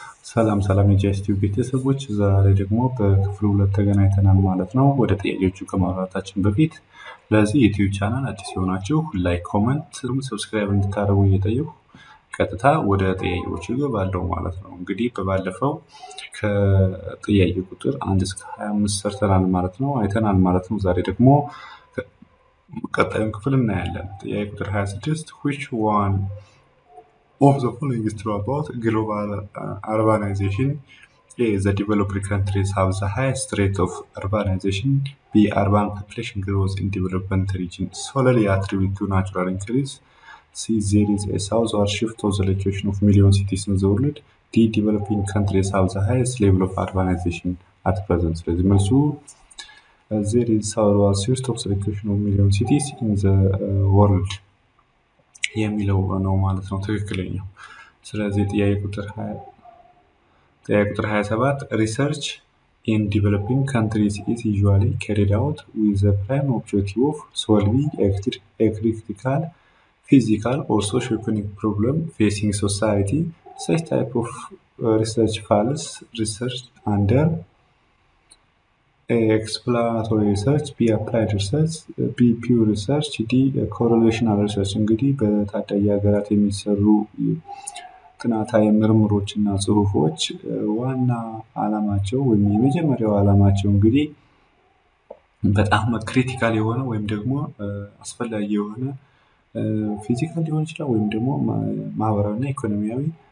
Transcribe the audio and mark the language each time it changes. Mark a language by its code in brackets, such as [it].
[am] ሰላም ሰላም የጂስቲዩ ቤተሰቦች፣ ዛሬ ደግሞ በክፍል ሁለት ተገናኝተናል ማለት ነው። ወደ ጥያቄዎቹ ከማውራታችን በፊት ለዚህ ዩቲዩብ ቻናል አዲስ የሆናችሁ ላይክ፣ ኮመንት፣ ሰብስክራይብ እንድታደርጉ እየጠየቁ ቀጥታ ወደ ጥያቄዎቹ ገባለሁ ማለት ነው። እንግዲህ በባለፈው ከጥያቄ ቁጥር 1 እስከ 25 ሰርተናል ማለት ነው አይተናል ማለት ነው። ዛሬ ደግሞ ቀጣዩን ክፍል እናያለን። ጥያቄ ቁጥር 26 [en] which one of the following is true about global urbanization? A. The developed countries have the highest rate of urbanization. B. Urban population growth in developed regions solely attributed to natural increase. C. There is a southward shift of the location of million cities in the world. D. Developing countries have the highest level of urbanization at present. [am] ስለዚህ መልሱ [en] there is a southward shift of the location of million cities in the world [am] የሚለው ነው ማለት ነው ትክክለኛው። ስለዚህ ጥያቄ ቁጥር 27 [en] research in developing countries is usually carried out with the prime objective of solving a critical physical or socio-economic problem facing society. Such type of research falls research under exploratory research, B applied research, B pure research, D correlational research. [am] እንግዲህ በታዳጊ ሀገራት የሚሰሩ ጥናታዊ ምርምሮች እና ጽሁፎች ዋና አላማቸው ወይም የመጀመሪያው አላማቸው እንግዲህ በጣም ክሪቲካል የሆነ ወይም ደግሞ አስፈላጊ የሆነ ፊዚካል ሊሆን ይችላል ወይም ደግሞ ማህበራዊና ኢኮኖሚያዊ